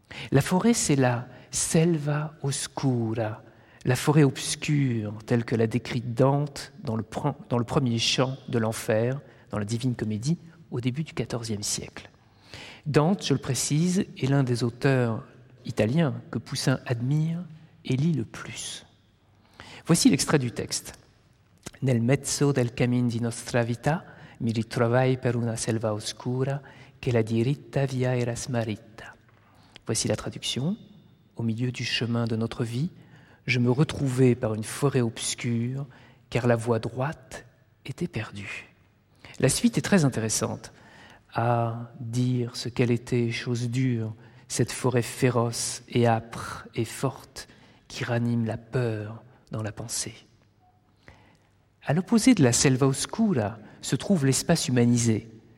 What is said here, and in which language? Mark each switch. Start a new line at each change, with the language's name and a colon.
French: La forêt, c'est la selva oscura, la forêt obscure, telle que l'a décrite Dante dans le premier chant de l'Enfer, dans la Divine Comédie, au début du XIVe siècle. Dante, je le précise, est l'un des auteurs italiens que Poussin admire et lit le plus. Voici l'extrait du texte.
Italian: « Nel mezzo del cammin di nostra vita mi ritrovai per una selva oscura che la diritta via era smarrita. »
French: Voici la traduction. « Au milieu du chemin de notre vie, je me retrouvai par une forêt obscure car la voie droite était perdue. » La suite est très intéressante. « Ah, dire ce qu'elle était, chose dure, cette forêt féroce et âpre et forte qui ranime la peur dans la pensée. » À l'opposé de la selva oscura se trouve l'espace humanisé.